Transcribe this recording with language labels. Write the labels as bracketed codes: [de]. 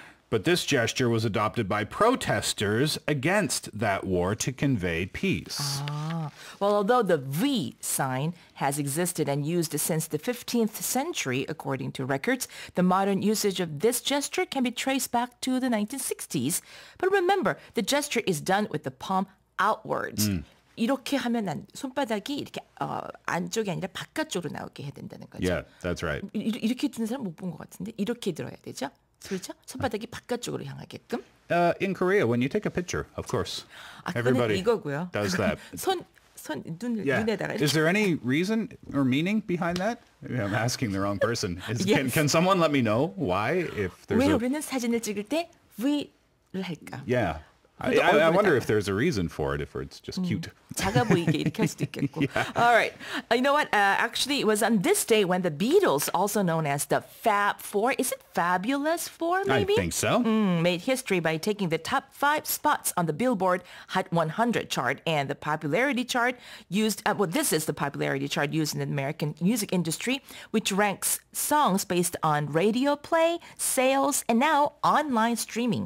[en] But this gesture was adopted by protesters against that war to convey peace. Well, although the V sign has existed and used since the 15th century, according to records, the modern usage of this gesture can be traced back to the 1960s. But remember, the gesture is done with the palm outwards. Mm. [ko] 이렇게 하면 난 손바닥이 이렇게 안쪽이 아니라 바깥쪽으로 나오게 해야 된다는 거죠. [en] Yeah, that's right. [ko] 이렇게 드는 사람 못 본 것 같은데 이렇게 들어야 되죠. 그렇죠? 손바닥이 바깥쪽으로 향하게끔. [en] In Korea, when you take a picture, of course, [ko] 아, [en] everybody [ko] 이거고요. [en] does that. [ko] 손 눈 yeah. 눈에다가. [en] Is there any reason or meaning behind that? I'm asking the wrong person. Is, yes. Can someone let me know why if there's [ko] 왜 우리는 사진을 찍을 때 V를 할까? [en] Yeah. I wonder if there's a reason for it, if it's just cute. [ko] 작아 보이게 이렇게 할 수도 있겠고. [en] Yeah. All right. You know what? Actually, it was on this day when the Beatles, also known as the Fab Four, is it Fabulous Four, maybe? I think so. Made history by taking the top five spots on the Billboard Hot 100 chart and the popularity chart used, this is the popularity chart used in the American music industry, which ranks songs based on radio play, sales, and now online streaming.